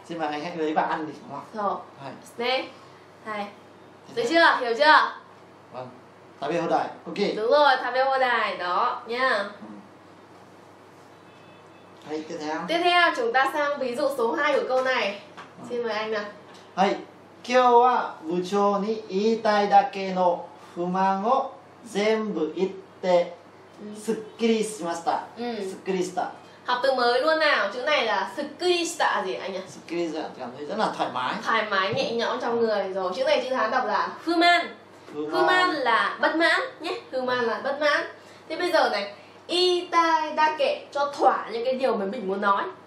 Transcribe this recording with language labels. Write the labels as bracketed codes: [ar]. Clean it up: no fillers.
[vi] Xin mời anh hãy lấy và ăn đi. Được chưa? Hiểu chưa? Vâng. Tabe hodai. Ok. Đúng rồi, tabe hodai đó nha. Hay, tiếp theo. Tiếp theo chúng ta sang ví dụ số 2 của câu này. Xin mời anh nào. Hay. [ja] 今日は部長に言いたいだけの不満を全部言ってすっきりしました。うん、すっきりした。 [vi] Học từ mới luôn nào. Chữ này là すっきりした gì anh nhỉ? すっきりした cảm thấy rất là thoải mái. Thoải mái nhẹ nhõm trong người rồi. Chữ này chữ Hán đọc là 不満. 不満là bất mãn nhé. 不満là bất mãn. Thế bây giờ này, [ja] 言いたいだけ [vi] cho thỏa những cái điều mà mình muốn nói.